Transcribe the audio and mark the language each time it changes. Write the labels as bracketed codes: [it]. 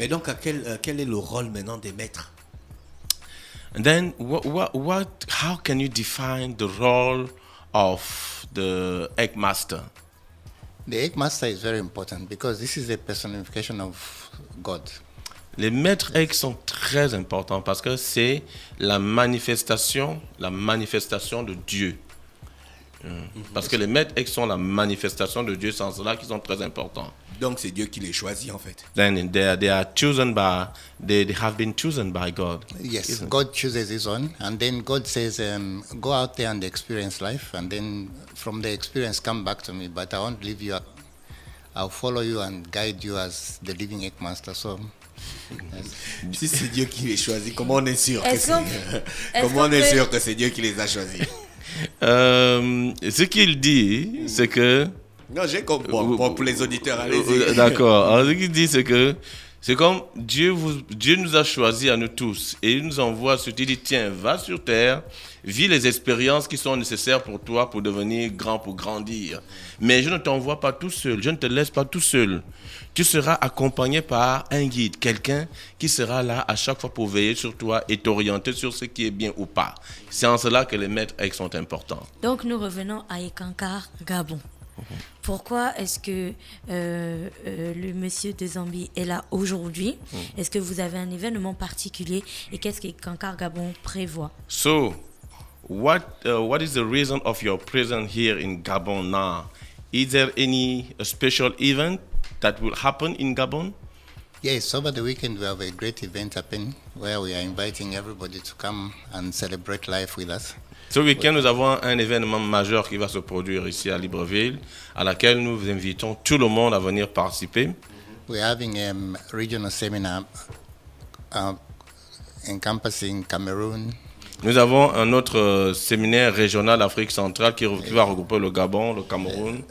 [fr] Mais donc, quel est le rôle maintenant des maîtres? [en] Then, what? How can you define the role of the egg master? The egg master is very important because this is a personification of God. [fr] Les maîtres eggs sont très importants parce que c'est la manifestation de Dieu. Parce que les maîtres eggs sont la manifestation de Dieu, sans cela qu'ils sont très importants. Donc c'est Dieu qui les choisit en fait. [en] Then they have been chosen by God. Yes, God chooses his own, and then God says, go out there and experience life, and then from the experience come back to me. But I won't leave you. I'll follow you and guide you as the living egg master. So. [fr] Si c'est Dieu qui les choisit, comment on est sûr que c'est comment on est sûr que c'est Dieu qui les a choisis? Ce qu'il dit, c'est que. Non, j'ai compris. Bon, pour les auditeurs, allez-y. D'accord. Alors, ce qu'il dit, c'est que c'est comme Dieu nous a choisis à nous tous et il nous envoie sur terre. Il dit, tiens, va sur terre, vis les expériences qui sont nécessaires pour toi pour devenir grand, pour grandir. Mais je ne t'envoie pas tout seul. Je ne te laisse pas tout seul. Tu seras accompagné par un guide, quelqu'un qui sera là à chaque fois pour veiller sur toi et t'orienter sur ce qui est bien ou pas. C'est en cela que les maîtres aigles sont importants. Donc, nous revenons à Ekankar Gabon. Pourquoi est-ce que le monsieur de Zambie est là aujourd'hui? Est-ce que vous avez un événement particulier et qu'est-ce que Ekankar Gabon prévoit? [en] So, what is the reason of your presence here in Gabon now? Is there any special event that will happen in Gabon? Yes, over the weekend we have a great event happening where we are inviting everybody to come and celebrate life with us. [fr] Ce week-end, nous avons un événement majeur qui va se produire ici à Libreville, à laquelle nous vous invitons tout le monde à venir participer. [en] We're having a regional seminar encompassing Cameroon. [fr] Nous avons un autre séminaire régional Afrique centrale qui va regrouper le Gabon, le Cameroun,